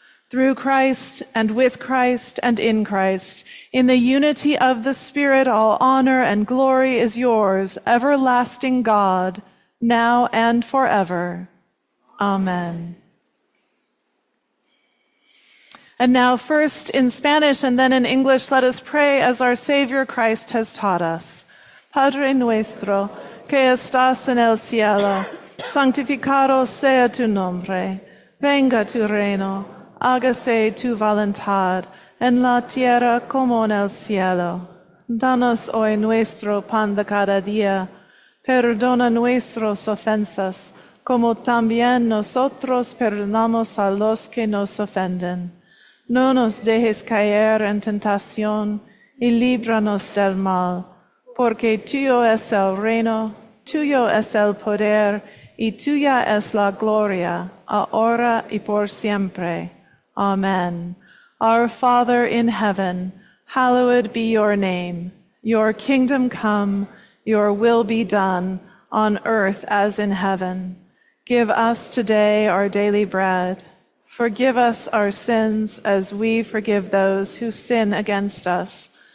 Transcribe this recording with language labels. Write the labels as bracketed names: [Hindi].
[English] Through Christ and with Christ and in Christ, in the unity of the Spirit, all honor and glory is yours, everlasting God, now and forever. Amen. And now first in Spanish and then in English, let us pray as our Savior Christ has taught us. [Spanish] Padre nuestro, que estás en el cielo, santificado sea tu nombre, venga tu reino, hágase tu voluntad, en la tierra como en el cielo. Danos hoy nuestro pan de cada día. Perdona nuestras ofensas, como también nosotros perdonamos a los que nos ofenden. No nos dejes caer en tentación, y líbranos del mal. porque tuyo es el reino, tuyo es el poder, y tuya es la gloria, ahora y por siempre. Amen. [English] Our Father in heaven, hallowed be your name. Your kingdom come, your will be done, on earth as in heaven. Give us today our daily bread. Forgive us our sins as we forgive those who sin against us.